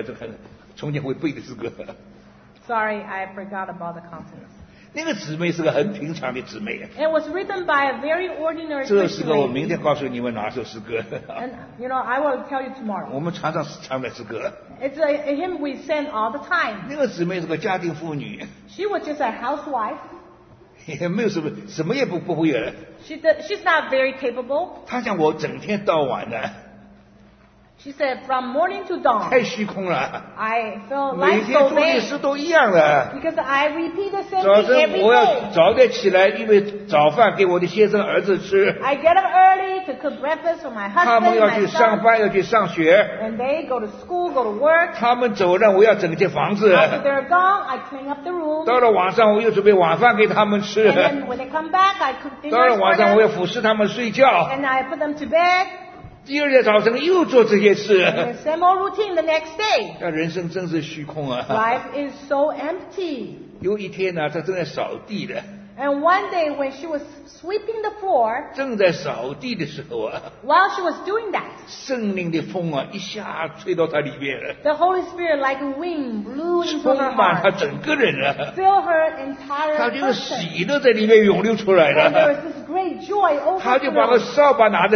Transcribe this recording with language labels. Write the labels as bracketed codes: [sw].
[zh] 有主啊，我们有主的话，那个诗歌我都背不出来，这很重新会背的诗歌。 [en] Sorry, I forgot about the contents. [zh] 那个姊妹是个很平常的姊妹。 [en] It was written by a very ordinary. [zh] 这首诗歌我明天告诉你们哪首诗歌。 [en] And you know, I will tell you tomorrow. [zh] 我们常常唱的诗歌。 [en] It's a hymn we sing all the time. [zh] 那个姊妹是个家庭妇女。 [en] She was just a housewife. [zh] 也没有什么，什么也不会。 [en] She's not very capable. [zh] 她像我整天到晚的。 [en] She said from morning to dawn. [zh] 太虚空了。 [en] I feel like so vain. [zh] 每天做的事都一样了。 [en] Because I repeat the same thing every day. [zh] 早晨我要早点起来，因为早饭给我的先生儿子吃。 [en] I get up early to cook breakfast for my husband. [zh] 他们要去上班，要去上学。 [en] And they go to school, go to work. [zh] 他们走了，我要整间房子。 [en] After they're gone, I clean up the room. [zh] 到了晚上，我又准备晚饭给他们吃。 [en] And then when they come back, I cook dinner. [zh] 到了晚上，我要服侍他们睡觉。 [en] And I put them to bed. [zh] 第二天早晨又做这些事。 [en] Same old routine the next day. [zh] 那人生真是虚空啊。 [en] Life is so empty. [zh] 有一天呢，她正在扫地的。 [en] And one day when she was sweeping the floor, [zh] 正在扫地的时候啊, [en] while she was doing that, [zh] 圣灵的风啊, 一下吹到她里面了, [en] the Holy Spirit like a wind blew into her heart, [zh] 充满她整个人了, [en] fill her entire person. [zh] 她就喜乐在里面涌流出来了, [en] and there was this great joy over her.